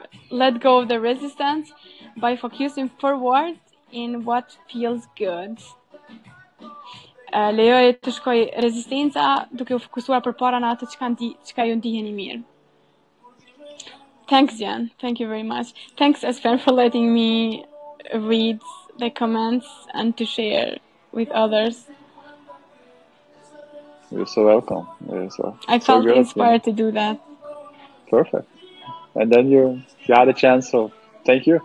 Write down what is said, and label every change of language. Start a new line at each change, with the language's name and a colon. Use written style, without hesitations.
English: Let go of the resistance by focusing forward in what feels good.
Albanian: Lejoje të shkoj rezistenca duke u fokusuar përpara në atë çka ju ndiheni mirë.
English: Thanks, Jen. Thank you very much. Thanks, Espen, for letting me read the comments and to share with others. You're so welcome. I felt inspired to do that. Perfect. And then you had a chance, so thank you.